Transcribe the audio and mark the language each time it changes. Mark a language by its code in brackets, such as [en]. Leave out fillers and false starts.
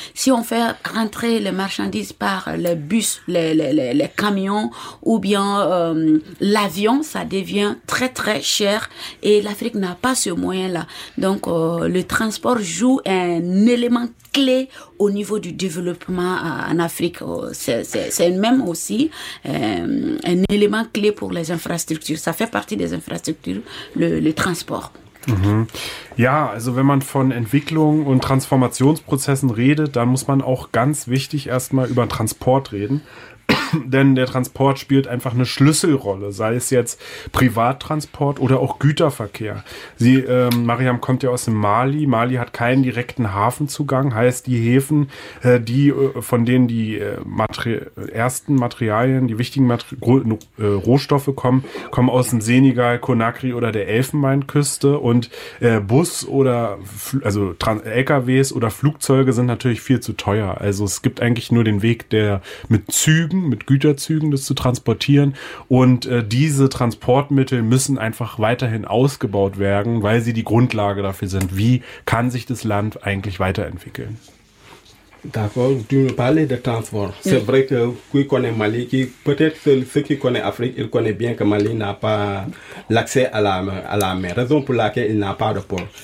[fr] Si on fait rentrer les marchandises par les bus, les camions ou bien l'avion, ça devient très très cher et l'Afrique n'a pas ce moyen-là. Donc le transport joue un élément clé au niveau du développement en Afrique. C'est même aussi un élément clé pour les infrastructures. Ça fait partie des infrastructures, le transport. Mhm. [de] Ja, also wenn man von Entwicklung und Transformationsprozessen redet, dann muss man auch ganz wichtig erstmal über Transport reden, denn der Transport spielt einfach eine Schlüsselrolle, sei es jetzt Privattransport oder auch Güterverkehr. Sie, Mariam kommt ja aus dem Mali. Mali hat keinen direkten Hafenzugang, heißt die Häfen, von denen die ersten Materialien, die wichtigen Rohstoffe kommen aus dem Senegal, Conakry oder der Elfenbeinküste und Bus oder LKWs oder Flugzeuge sind natürlich viel zu teuer. Also es gibt eigentlich nur den Weg, der mit Güterzügen das zu transportieren und diese Transportmittel müssen einfach weiterhin ausgebaut werden, weil sie die Grundlage dafür sind, wie kann sich das Land eigentlich weiterentwickeln. [fr] D'accord, tu me parlais de transport. Oui. C'est vrai que qui connaît Mali, qui, peut-être ceux qui connaissent l'Afrique, ils connaissent bien que Mali n'a pas l'accès à la mer, raison pour laquelle il n'a pas de port.